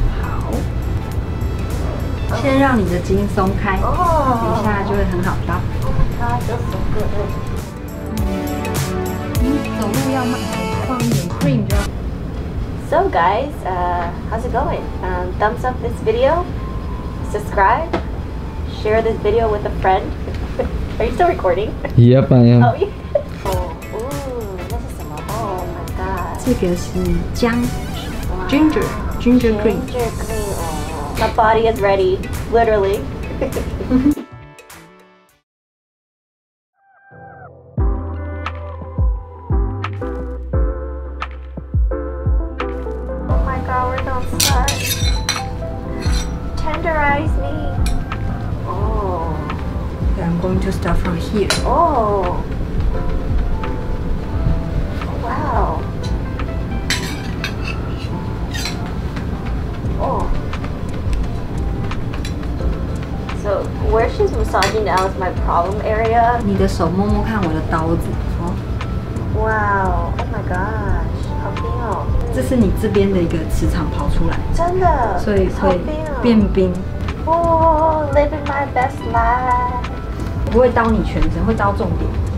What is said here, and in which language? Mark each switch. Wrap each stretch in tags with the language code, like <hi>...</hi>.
<zh>好，先让你的筋松开，等一下就会很好跳。走路要慢，放一点 cream 就。</zh> <en>So guys, how's it going? Thumbs up this video, subscribe, share this video with a friend. Are you still recording? Yep, I am. Oh, yeah. Oh, ooh, this is some. Oh my god. This is ginger. Wow. Ginger cream. Oh, my body is ready, literally. Oh my god, we're so stuck. Tenderize me. Oh. Okay. I'm going to start from here. Oh. Wow. Oh. So where she's massaging now is my problem area.</en> <zh>你的手摸摸看我的刀子。</zh> <en>Wow, oh my gosh,</en> <zh>好冰哦。这是你这边的一个磁场跑出来。真的。所以会变冰。</zh> <en>哦 living my best life.</en> <zh>不会刀你全身，会刀重点。</zh>